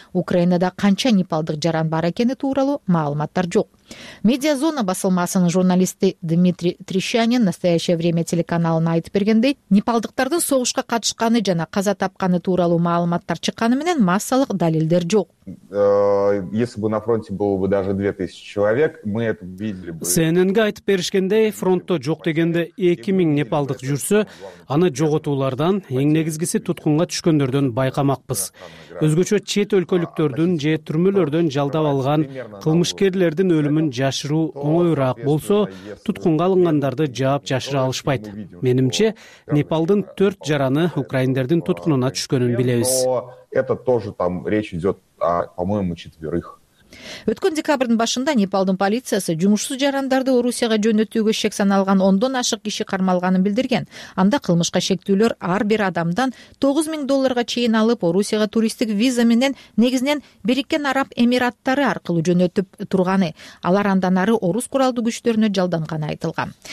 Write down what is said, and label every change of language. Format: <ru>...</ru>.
<ky>Украинада канча непалдык жаран бар экени тууралуу маалыматтар жок. Медиазона басылмасынын журналисти Дмитрий Трещанин настоящее время телеканалына айтып бергендей, непалдыктардын согушка катышканы жана каза тапканы тууралуу маалыматтар чыкканы менен массалык далилдер жок.</ky> <ru>Если бы на фронте было бы даже 2000 человек, мы это видели бы.</ru> <ky>СНН-ге айтып беришкендей, фронтто жок дегенде 2000 непалдык жүрсө, аны жоготуулардан, эң негизгиси туткунга түшкөндөрдөн байкамакпыз. Өзгөчө чет өлкөлүктөрдүн же түрмөлөрдөн жалдап алган кылмышкерлердин өлүмүн жашыруу оңоюраак болсо, туткунга алынгандарды жаап жашыра алышпайт. Менимче, Непалдын 4 жараны украиндердин туткунуна түшкөнүн билебиз.</ky> <ru>Это тоже там речь идет о, по-моему, четверых.</ru> <ky>Өткөн декабрдын башында Непалдын полициясы жумушсуз жарандарды Орусияга жөнөтүүгө шек саналган 10 ашык киши кармалганын билдирген. Анда кылмышка шектүүлөр ар бир адамдан 9000 долларга чейин алып, Орусияга туристтик виза менен негизинен Бириккен Араб Эмираттары аркылуу жөнөтүп турганы, алар андан ары орус куралдуу күчтөрүнө жалданганы айтылган.</ky>